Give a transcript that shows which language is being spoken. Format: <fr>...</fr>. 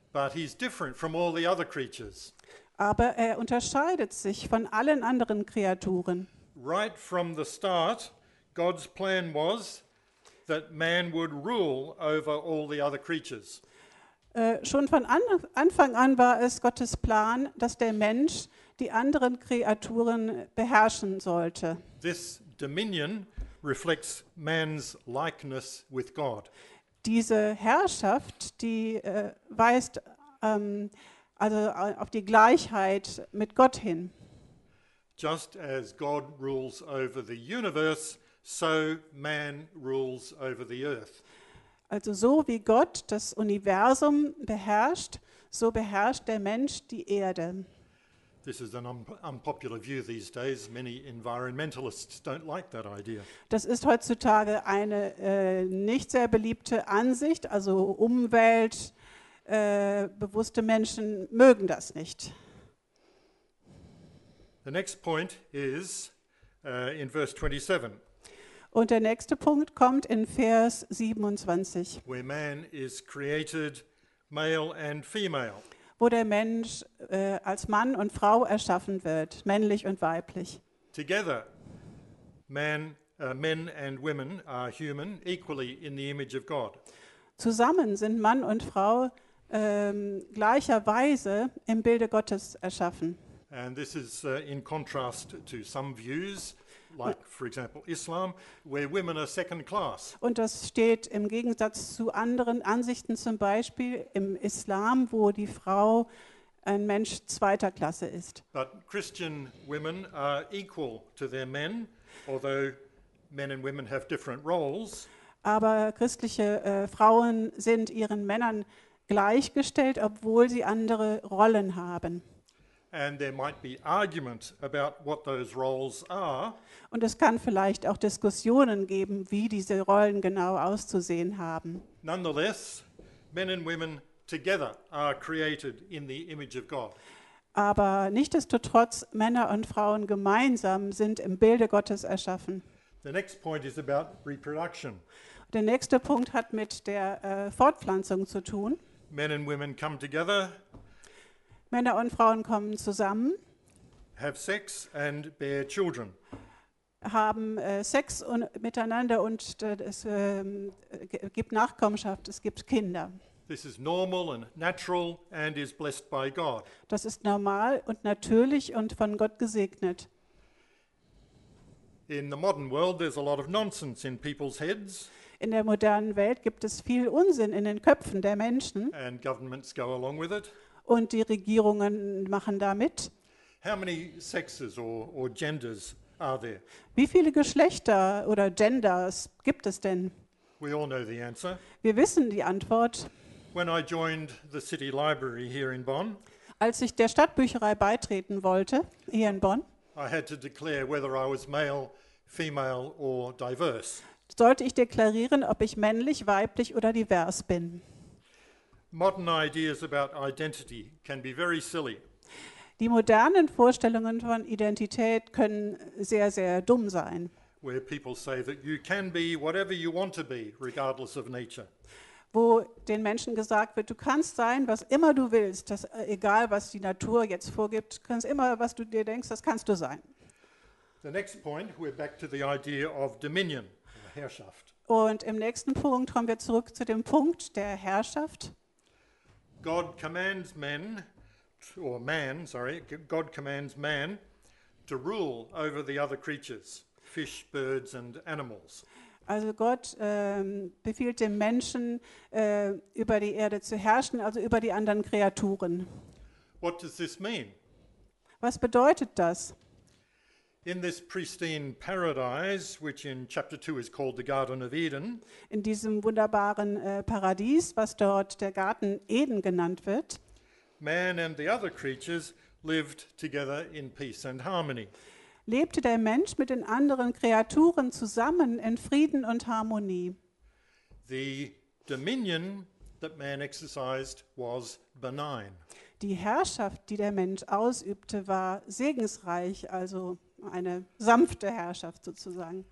<en>But he's different from all the other creatures.</en> <de>Aber er unterscheidet sich von allen anderen Kreaturen.</de> <en>Right from the start, God's plan was that man would rule over all the other creatures.</en> <de>Schon von Anfang an war es Gottes Plan, dass der Mensch die anderen Kreaturen beherrschen sollte.</de> <en>This dominion reflects man's likeness with God.</en> <de>Diese Herrschaft, die weist also auf die Gleichheit mit Gott hin.</de> <en>Just as God rules over the universe, so man rules over the earth.</en> <de>Also so wie Gott das Universum beherrscht, so beherrscht der Mensch die Erde.</de> <en>This is an unpopular view these days. Many environmentalists don't like that idea.</en> <de>Das ist heutzutage eine nicht sehr beliebte Ansicht. Also umweltbewusste Menschen mögen das nicht.</de> <en>The next point is in verse 27.</en> <de>Und der nächste Punkt kommt in Vers 27.</de> <en>Where man is created male and female.</en> <de>Wo der Mensch als Mann und Frau erschaffen wird, männlich und weiblich.</de> <en>Together, men and women are human, equally in the image of God.</en> <de>Zusammen sind Mann und Frau gleicherweise im Bilde Gottes erschaffen.</de> <en>And this is in contrast to some views, like for example Islam, where women are second class.</en> <de>Und das steht im Gegensatz zu anderen Ansichten, zum Beispiel im Islam, wo die Frau ein Mensch zweiter Klasse ist.</de> <en>But Christian women are equal to their men, although men and women have different roles.</en> <de>Aber christliche Frauen sind ihren Männern gleichgestellt, obwohl sie andere Rollen haben.</de> <en>And there might be argument about what those roles are.</en> <de>Und es kann vielleicht auch Diskussionen geben, wie diese Rollen genau auszusehen haben.</de> <en>Nonetheless, men and women together are created in the image of God.</en> <de>Aber nichtsdestotrotz, Männer und Frauen gemeinsam sind im Bilde Gottes erschaffen.</de> <en>The next point is about reproduction.</en> <de>Der nächste Punkt hat mit der Fortpflanzung zu tun.</de> <en>Men and women come together.</en> <de>Männer und Frauen kommen zusammen,</de> <en>have sex and bear children.</en> <de>Haben Sex und miteinander und es gibt Nachkommenschaft, es gibt Kinder.</de> <en>This is normal and natural and is blessed by God.</en> <de>Das ist normal und natürlich und von Gott gesegnet.</de> <en>In the modern world there's a lot of nonsense in people's heads.</en> <de>In der modernen Welt gibt es viel Unsinn in den Köpfen der Menschen.</de> <en>And governments go along with it.</en> <de>Und die Regierungen machen da mit.</de> <en>How many sexes or genders are there?</en> <de>Wie viele Geschlechter oder Genders gibt es denn?</de> <en>We all know the answer.</en> <de>Wir wissen die Antwort.</de> <en>When I joined the city library here in Bonn,</en> <de>als ich der Stadtbücherei beitreten wollte, hier in Bonn,</de> <en>I had to declare whether I was male, female or diverse.</en> <de>Sollte ich deklarieren, ob ich männlich, weiblich oder divers bin.</de> <en>Modern ideas about identity can be very silly.</en> <de>Die modernen Vorstellungen von Identität können sehr, sehr dumm sein.</de> <en>Where people say that you can be whatever you want to be, regardless of nature.</en> <de>Wo den Menschen gesagt wird, du kannst sein, was immer du willst, das, egal was die Natur jetzt vorgibt, kannst immer, was du dir denkst, das kannst du sein.</de> <en>The next point, we're back to the idea of dominion, Herrschaft.</en> <de>Und im nächsten Punkt kommen wir zurück zu dem Punkt der Herrschaft.</de> <en>God commands men, or man, sorry, God commands man to rule over the other creatures, fish, birds and animals.</en> <de>Also Gott befiehlt dem Menschen, über die Erde zu herrschen, also über die anderen Kreaturen.</de> <en>What does this mean?</en> <de>Was bedeutet das?</de> <en>In this pristine paradise, which in chapter 2 is called the Garden of Eden,</en> <de>in diesem wunderbaren Paradies, was dort der Garten Eden genannt wird,</de> <en>man and the other creatures lived together in peace and harmony.</en> <de>Lebte der Mensch mit den anderen Kreaturen zusammen in Frieden und Harmonie.</de> <en>The dominion that man exercised was benign.</en> <de>Die Herrschaft, die der Mensch ausübte, war segensreich, also eine sanfte Herrschaft sozusagen.</de>